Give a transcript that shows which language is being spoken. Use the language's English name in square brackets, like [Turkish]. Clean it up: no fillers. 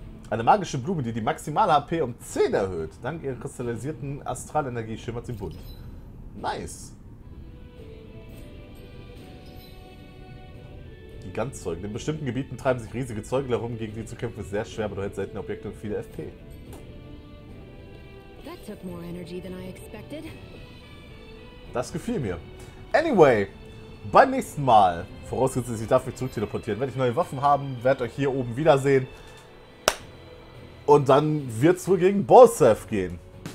[German] Eine magische Blume, die maximale HP um 10 erhöht. Dank ihrer kristallisierten Astralenergie schimmert sie bunt. Nice. Die Ganzzeugen. In bestimmten Gebieten treiben sich riesige Zeugen herum. Gegen die zu kämpfen ist sehr schwer, aber du hältst seltene Objekte und viele FP. [English] That took more energy than I expected. [German] Das gefiel mir. Anyway, beim nächsten Mal, vorausgesetzt, ich darf mich zurückteleportieren, werde ich neue Waffen haben, werde euch hier oben wiedersehen. Und dann wird's wohl gegen Bolsef gehen.